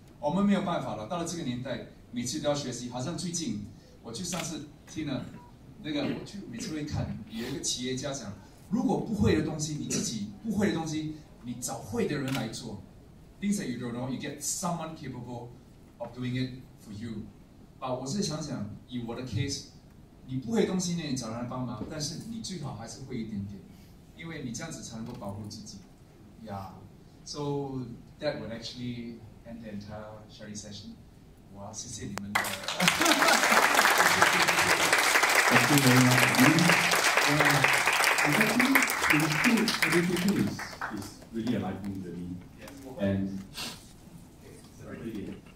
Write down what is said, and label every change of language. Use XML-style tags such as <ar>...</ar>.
<zh>我们没有办法了，到了这个年代，每次都要学习。好像最近，我就上次听了那个，我就每次会看有一个企业家讲，如果不会的东西，你自己不会的东西，你找会的人来做。</zh> <en>Things that you don't know, you get someone capable of doing it for you.</en> <zh>But 我是想想，以我的 case， 你不会东西呢，你找人帮忙，但是你最好还是会一点点，因为你这样子才能够保护自己。</zh> <en>Yeah. So that would actually end the entire sharing session.</en> <zh>我要谢谢你们的。</zh> <en>Thank you very much. I think this is really enlightening to me.</en>